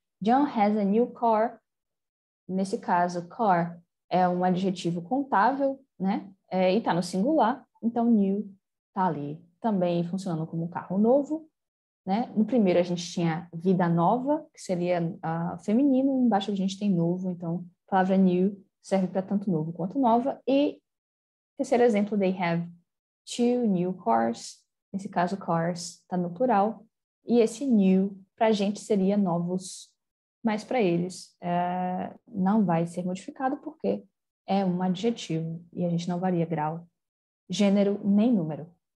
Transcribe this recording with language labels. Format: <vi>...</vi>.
<en>John has a new car.</en> <pt>Nesse caso, car é um adjetivo contável, né? E está no singular, então new está ali também funcionando como carro novo, né? No primeiro a gente tinha vida nova, que seria feminino, embaixo a gente tem novo, então a palavra new serve para tanto novo quanto nova. E terceiro exemplo,</pt> <en>they have two new cars.</en> <pt>Nesse caso, cars está no plural, e esse new para a gente seria novos. Mas para eles, não vai ser modificado porque é um adjetivo e a gente não varia grau, gênero nem número.</pt>